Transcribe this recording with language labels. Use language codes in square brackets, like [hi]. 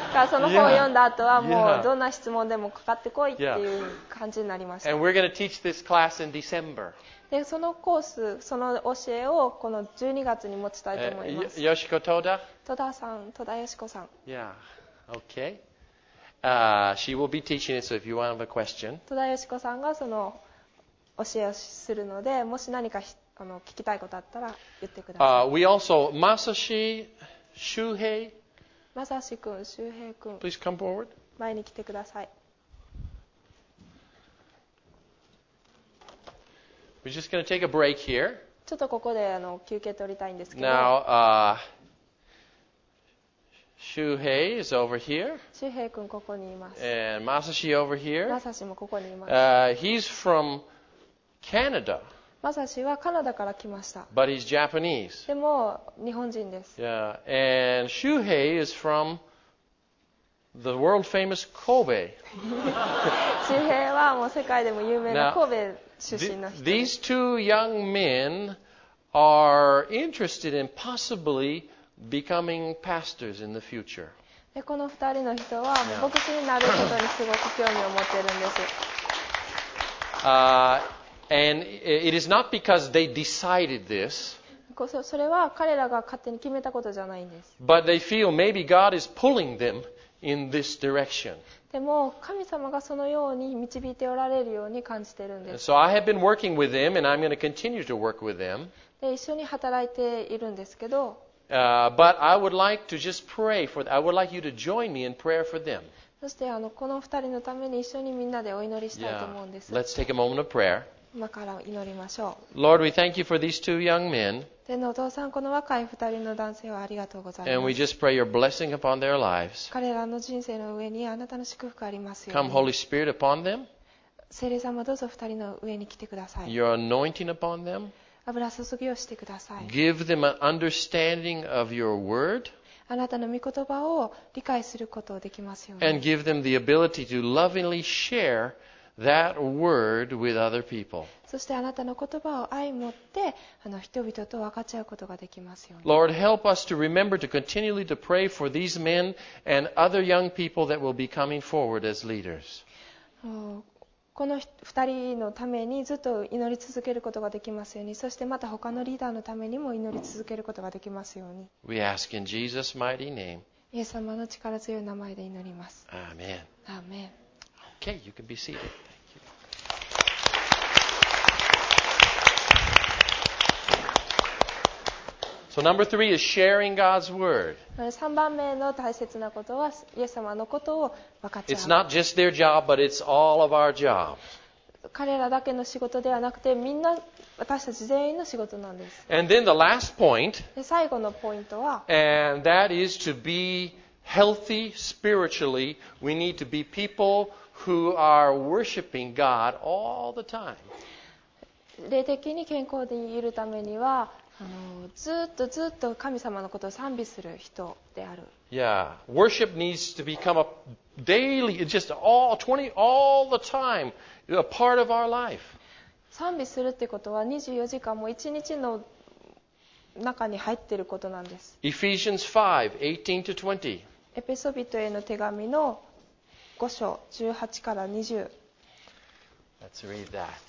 [ja] その本を読んだ後はもうどんな質問でもかかってこいっていう感じになりました。 [en] And we're going to teach this class in December. [ja] で、そのコース、その教えをこの12月に持ちたいと思います。よしこ、戸田よしこさん。 [en] Yeah. Okay. She will be teaching it, so if you have a question. [ja] 戸田よしこさんがその教えをするので、もし何か聞きたいことあったら言ってください。 [en] We also Masashi Shuhei. [ja] Masashi 君、Shuhei 君。 [en] Please come forward. [ja] 前に来てください。 [en] We're just going to take a break here. [ja] ちょっとここで休憩取りたいんですけど。 [en] Now, Shuhei is over here. [ja] Shuhei 君ここにいます。 [en] And Masashi over here. [ja] Masashi もここにいます。 [en] He's from Canada. [ja] マサシはカナダから来ました。 [en] But he's Japanese. [ja] でも日本人です。 [en] Yeah. And Shuhei is from the world famous Kobe. [ja] Shuhei はもう世界でも有名な神戸出身の人です。 [en] These two young men are interested in possibly becoming pastors in the future. [ja] でこの二人の人は牧師になることにすごく興味を持っているんです。 [en] And it is not because they decided this. [ja] それは彼らが勝手に決めたことじゃないんです。 [en] But they feel maybe God is pulling them in this direction. [ja] でも神様がそのように導いておられるように感じているんです。 [en] So I have been working with them and I'm going to continue to work with them. [ja] で一緒に働いているんですけど。 [en] But I would like to just pray for them. I would like you to join me in prayer for them. [ja] そしてこの二人のために一緒にみんなでお祈りしたいと思うんです。 [en] Yeah. Let's take a moment of prayer. [ja] 今から祈りましょう。 [en] Lord, we thank you for these two young men. [ja] 天のお父さん、この若い二人の男性はありがとうございます。 [en] And we just pray your blessing upon their lives. [ja] 彼らの人生の上にあなたの祝福ありますように。 [en] Come, Holy Spirit, upon them. [ja] 聖霊様どうぞ二人の上に来てください。 [en] Your anointing upon them. [ja] 油注ぎをしてください。 [en] Give them an understanding of your word. [ja] あなたの御言葉を理解することができますように。 [en] And give them the ability to lovingly share that word with other people. [ja] そしてあなたの言葉を愛持って人々と分かち合うことができますように。 [en] Lord, help us to remember to continually to pray for these men and other young people that will be coming forward as leaders. [ja] この二人のためにずっと祈り続けることができますように、そしてまた他のリーダーのためにも祈り続けることができますように。 [en] We ask in Jesus' mighty name. [ja] イエス様の力強い名前で祈ります。アーメン。アーメン。 [en] Okay, you can be seated. Thank you. So number three is sharing God's word. [ja] 3番目の大切なことはイエス様のことを分かち合う。 [en] It's not just their job, but it's all of our job. [ja] 彼らだけの仕事ではなくて、みんな私たち全員の仕事なんです。 [en] And then the last point. [ja] 最後のポイントは。 [en] And that is to be healthy spiritually. We need to be people who are worshiping God all the time. [ja] 霊的に健康でいるためには。ずっとずっと神様のことを賛美する人である。 [en] Yeah, worship needs to become a daily, just all 20 all the time, a part of our life. [ja] 賛美するってことは24時間も1日の中に入っていることなんです。 [en] Ephesians 5:18 to 20. [ja] エペソ人への手紙の5章18から20。 [en] Let's read that.